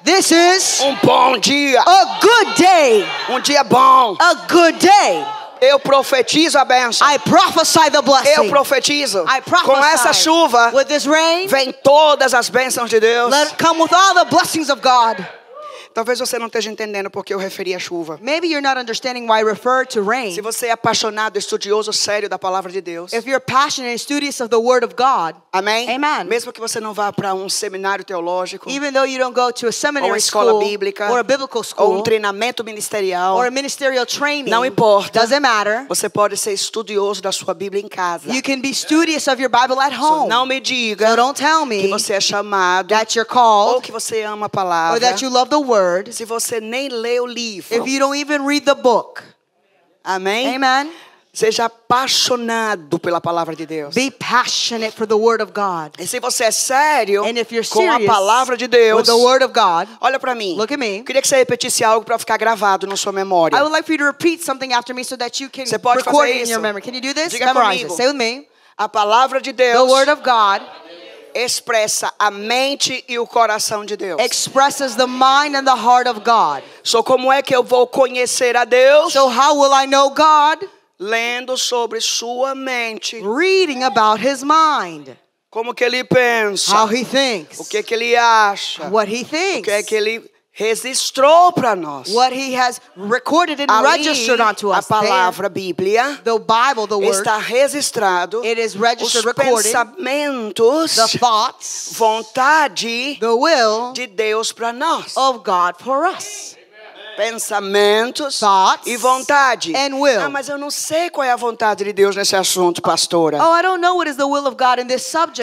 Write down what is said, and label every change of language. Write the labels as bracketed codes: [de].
[en] This is. [pt] Bom dia. [en] A good day. [pt] Dia bom. [en] A good day. [pt] Eu profetizo a bênção. [en] I prophesy the blessing. [pt] Eu profetizo. [en] I prophesy. [pt] Com essa chuva, [en] with this rain, [pt] vem todas as bênçãos de Deus. [en] Let it come with all the blessings of God. [pt] Talvez você não esteja entendendo porque eu referi à chuva. [en] Maybe you're not understanding why I refer to rain. [pt] Se você é apaixonado, estudioso, sério da palavra de Deus. [en] If you're passionate, studious of the word of God. [pt] Amém? [en] Amen. [pt] Mesmo que você não vá para seminário teológico. [en] Even though you don't go to a seminary [pt] ou escola [en] school, [pt] bíblica. [en] Or a biblical school. [pt] Ou treinamento ministerial. [en] Or a ministerial training. [pt] Não importa. [en] Doesn't matter. [pt] Você pode ser estudioso da sua Bíblia em casa. [en] You can be studious of your Bible at home. [pt] So, não me diga. [en] So don't tell me. [pt] Que você é chamado. [en] That you're called. [pt] Ou que você ama a palavra. [en] Or that you love the word. [pt] Se você nem lê o livro. [en] If you don't even read the book. [pt] Amém? [en] Amen. [pt] Seja apaixonado pela palavra de Deus. [en] Be passionate for the word of God. [pt] E se você é sério. [en] And if you're [pt] com a palavra de Deus. [en] With the word of God. [pt] Olha para mim. [en] Look at me. [pt] Queria que você repetisse algo para ficar gravado na sua memória. [en] I would like for you to repeat something after me so that you can [pt] você pode [en] record [pt] fazer isso. [en] In your memory. Can you do this? [pt] Diga [en] Memorize [pt] comigo. [en] It. Say with me. [pt] A palavra de Deus. [en] The word of God. [pt] Expressa a mente e o coração de Deus. [en] Expresses the mind and the heart of God. [pt] So como é que eu vou conhecer a Deus? [en] So how will I know God? [pt] Lendo sobre sua mente. [en] Reading about his mind. [pt] Como que ele pensa? [en] How he thinks. [pt] O que que ele acha? [en] What he thinks. [pt] O que é que ele registrou para nós? [en] What he has recorded and [pt] Ali, [en] registered unto us. [pt] A palavra [en] there, [pt] Bíblia. [en] The Bible, the word. [pt] Está registrado. [en] It is registered, recorded. [pt] Os pensamentos. [en] The thoughts. [pt] Vontade. [en] The will. [pt] De Deus para nós. [en] Of God for us. [pt] Pensamentos. [en] Thoughts. [pt] E vontade. [en] And will. [pt] Ah, mas eu não sei qual é a vontade de Deus nesse assunto, pastora. [en] Oh, I don't know what is the will of God in this subject,